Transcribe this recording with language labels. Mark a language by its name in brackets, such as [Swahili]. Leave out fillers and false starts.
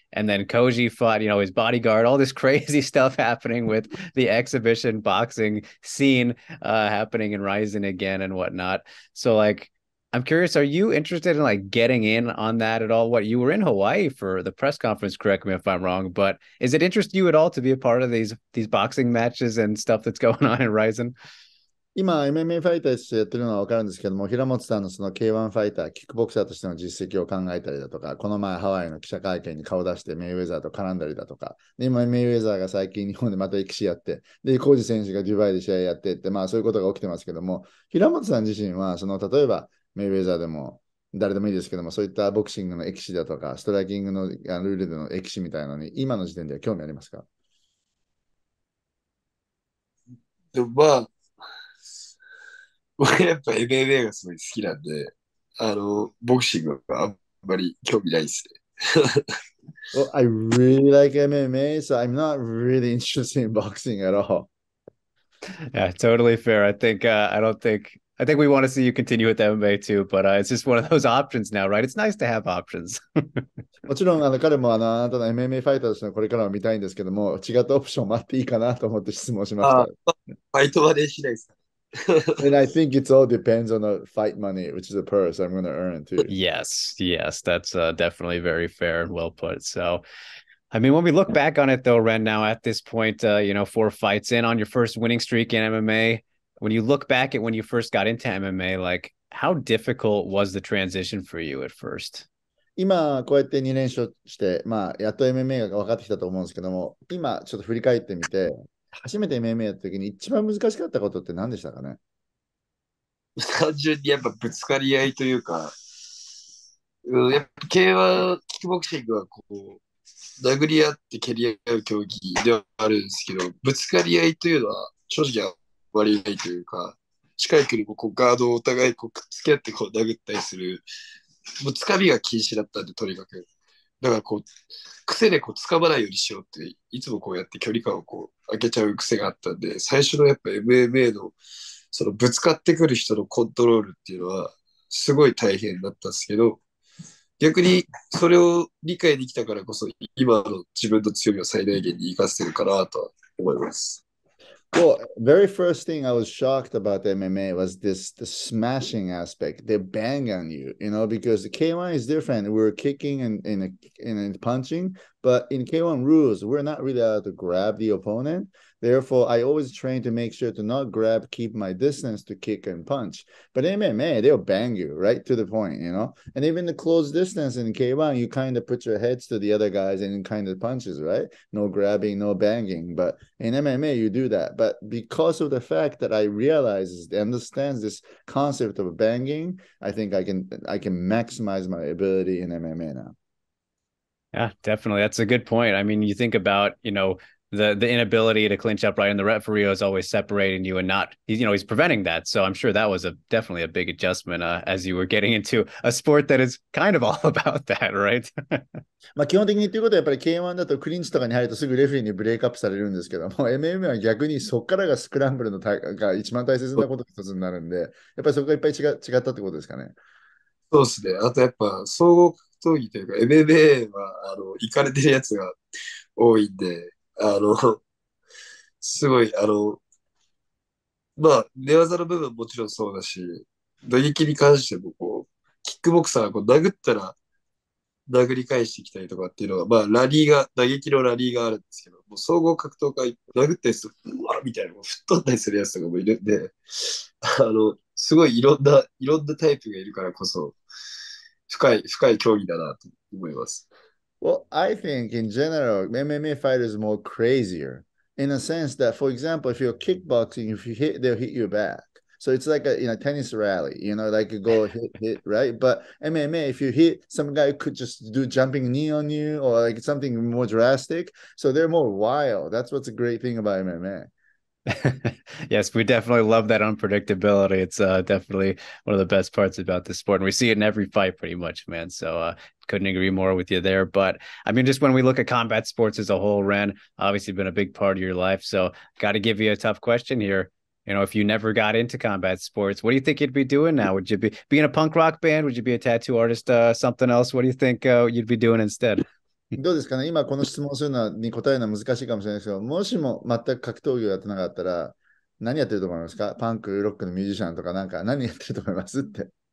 [English] And then Koji fought, you know, his bodyguard, all this crazy stuff happening with the exhibition boxing scene happening in Rizin again and whatnot. So, like, I'm curious, are you interested in, like, getting in on that at all? What, you were in Hawaii for the press conference, correct me if I'm wrong, but is it interest you at all to be a part of these boxing matches and stuff that's going on in Rizin? [Japanese] 今 MMA ファイターとしてやってるのは分かるんですけども、平本さんのその K1 ファイター、キックボクサーとしての実績を考えたりだとか、この前ハワイの記者会見に顔出してメイウェザーと絡んだりだとか、で今メイウェザーが最近日本でまた歴史やって、でコージ選手がデュバイで試合やってって、まあそういうことが起きてますけども、平本さん自身はその、例えばメイウェザーでも誰でもいいですけども、そういったボクシングの歴史だとかストライキングのルールでの歴史みたいなのに今の時点では興味ありますか？でもまあ僕はやっぱ MMA がすごい好きなんで、ボクシングはあんまり興味ないですね。 [English] Well, I really like MMA, so I'm not really interested in boxing at all. Yeah, totally fair. I think we want to see you continue with MMA too, but it's just one of those options now, right? It's nice to have options. [Japanese] もちろん彼もあなたの MMA ファイターとしてのこれからも見たいんですけども、違ったオプションもあっていいかなと思って質問しました。ファイトはできないですか？ [English] And I think it all depends on the fight money, which is a purse I'm going to earn too. Yes, yes, that's definitely very fair and well put. So, I mean, when we look back on it though, Ren, now at this point, you know, four fights in on your first winning streak in MMA, when you look back at when you first got into MMA, like, How difficult was the transition for you at first? [Japanese] 今こうやって2連勝して、まあ、やっと MMA が分かってきたと思うんですけども、今ちょっと振り返ってみて、初めて MMA やった時に一番難しかったことって何でしたかね？単純にやっぱぶつかり合いというか、うん、やっぱ K1 キックボクシングはこう殴り合って蹴り合う競技ではあるんですけど、ぶつかり合いというのは正直は割り合いというか、近い距離もこうガードをお互いこうくっつけ合ってこう殴ったりする、もうつかみが禁止だったんで、とにかく。だからこう、癖でこうつかまないようにしようって、いつもこうやって距離感をこう開けちゃう癖があったんで、最初のやっぱ MMA のそのぶつかってくる人のコントロールっていうのはすごい大変だったんですけど、逆にそれを理解できたからこそ、今の自分の強みを最大限に生かせるかなと思います。 [English] Well, very first thing I was shocked about MMA was this, the smashing aspect, the bang on you, you know, because K1 is different. We're kicking and punching, but in K1 rules, we're not really allowed to grab the opponent. Therefore, I always train to make sure to not grab, keep my distance to kick and punch. But MMA, they'll bang you right to the point, you know, and even the close distance in K1, you kind of put your heads to the other guys and kind of punches, right? No grabbing, no banging. But in MMA, you do that. But because of the fact that I realize, understand this concept of banging, I think I can maximize my ability in MMA now. Yeah, definitely. That's a good point. I mean, you think about, you know, the inability to clinch up right, and the referee is always separating you and not, you know, he's preventing that. So I'm sure that was definitely a big adjustment as you were getting into a sport that is kind of all about that, right? [Japanese] まあ基本的にということはやっぱり K1 だとクリンチとかに入るとすぐレフェリーにブレイクアップされるんですけども、 MMA は逆にそこからがスクランブルのが一番大切なこと一つになるんで、やっぱりそこがいっぱい違ったってことですかね。そうですね。あとやっぱ総合格闘技というか MMA はあのイカれてるやつが多いんで、あのすごい、あのまあ寝技の部分 もちろんそうだし、打撃に関してもこうキックボクサーはこう殴ったら殴り返してきたりとかっていうのは、まあラリーが、打撃のラリーがあるんですけど、もう総合格闘家殴ったりするとうわーみたいな、もう吹っ飛んだりするやつとかもいるんで、あのすごいいろんなタイプがいるからこそ深い競技だなと思います。 [English] Well, I think in general, MMA fighters are more crazier in a sense that, for example, if you're kickboxing, if you hit, they'll hit you back. So it's like a, you know, tennis rally, you know, like you go hit, right? But MMA, if you hit, some guy could just do jumping knee on you or like something more drastic. So they're more wild. That's what's a great thing about MMA. Yes, we definitely love that unpredictability. It's definitely one of the best parts about the sport. And we see it in every fight pretty much, man. So couldn't agree more with you there. But I mean, just when we look at combat sports as a whole, Ren, obviously been a big part of your life. So got to give you a tough question here. You know, if you never got into combat sports, what do you think you'd be doing now? Would you be in a punk rock band? Would you be a tattoo artist, something else? What do you think you'd be doing instead? [Japanese] どうですかね、今この質問するのに答えるのは難しいかもしれないですけど、もしも全く格闘技をやってなかったら何やってると思いますか？パンク、ロックのミュージシャンとか、なんか何やってると思いますって。